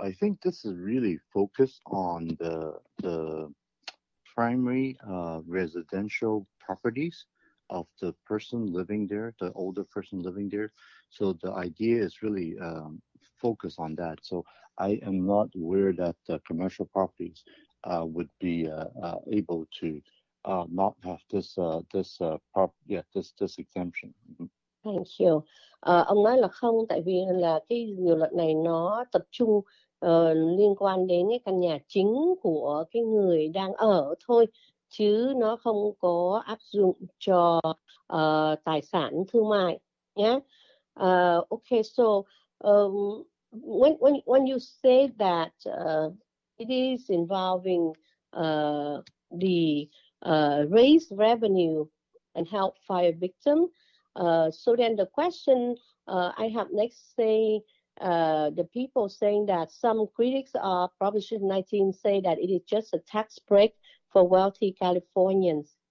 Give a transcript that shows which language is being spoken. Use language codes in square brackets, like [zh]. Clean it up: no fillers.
[en] I think this is really focused on the primary residential properties of the person living there, the older person living there. So the idea is really focused on that. So I am not aware that the commercial properties would be able to not have this this prop yeah this exemption. Thank you. [vi] Ông nói là không, tại vì là cái điều luật này nó tập trung liên quan đến cái căn nhà chính của cái người đang ở thôi, chứ nó không có áp dụng cho tài sản thương mại nhé. [en] Okay, so when you say that it is involving the raise revenue and help fire victim. So then the question I have next, say the people saying that some critics of Proposition 19 say that it is just a tax break for wealthy Californians.